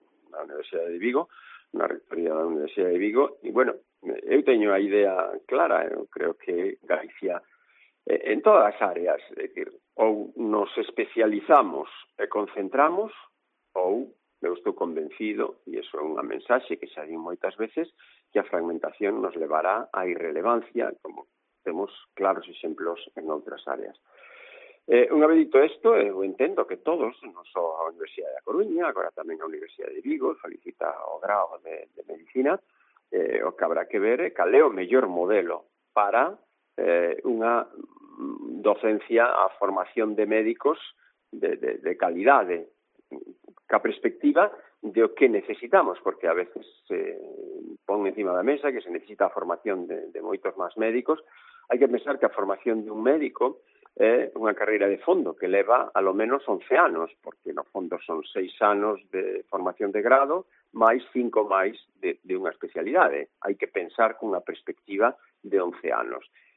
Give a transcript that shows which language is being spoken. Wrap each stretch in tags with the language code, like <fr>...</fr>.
<gl>na Universidade de Vigo, na rectoría da Universidade de Vigo, e bueno, eu teño a idea clara, eu creo que Galicia, en todas as áreas, é dicir, ou nos especializamos e concentramos, ou, eu estou convencido, e iso é unha mensaxe que xa di moitas veces, que a fragmentación nos levará á irrelevancia, como</gl> <es>hacemos claros ejemplos en otras áreas. Una vez dicho esto, yo entiendo que todos, no solo a la Universidad de Coruña, ahora también a la Universidad de Vigo, solicita o grado de medicina, o que habrá que ver cuál es el mejor modelo para una docencia a formación de médicos de calidad,</es> <gl>ca perspectiva</gl> <es>de lo que necesitamos, porque a veces se pone encima de la mesa que se necesita a formación de</es> <gl>moitos</gl> <es>más médicos. Hay que pensar que</es> <gl>a formación de un médico é unha carreira de fondo que leva</gl> <es>a lo menos</es> <gl>11 anos, porque no fondo son 6 anos de formación de grado máis 5 máis de unha especialidade.</gl> <es>Hay que pensar</es> <gl>con unha perspectiva de 11 anos.</gl>